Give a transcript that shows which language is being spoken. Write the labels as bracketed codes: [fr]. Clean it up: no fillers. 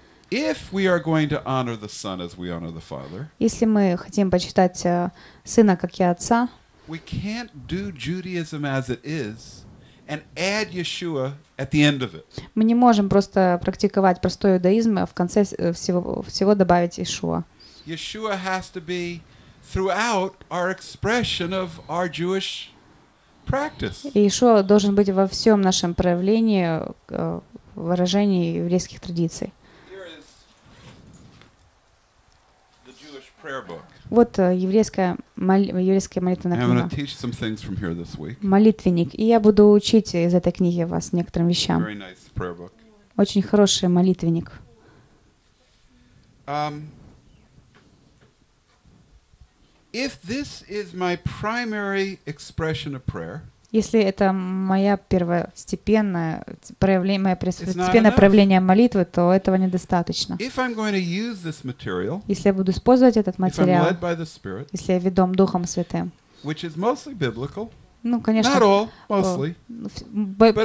[ru] Если мы хотим почитать Сына, как и Отца, [en] we can't do Judaism as it is and add Yeshua at the end of it. [ru] Мы не можем просто практиковать простой иудаизм, а в конце всего добавить Иешуа. [en] Yeshua has to be throughout our expression of our Jewish practice. [ru] Иешуа должен быть во всем нашем проявлении, выражении еврейских традиций. [en] Here is the Jewish prayer book. [ru] Вот еврейская молитвенная книга. Молитвенник. И я буду учить из этой книги вас некоторым вещам. [en] Nice. [ru] Очень хороший молитвенник. [en] If this is my primary expression of prayer, [ru] если это моя первостепенная проявление, моя первостепенное проявление молитвы, то этого недостаточно. [en] If I'm going to use this material, [ru] если я буду использовать этот материал, [en] if I'm led by the Spirit, [ru] если я ведом Духом Святым, [en] which is mostly biblical, [ru] ну, конечно, [en] not all, mostly,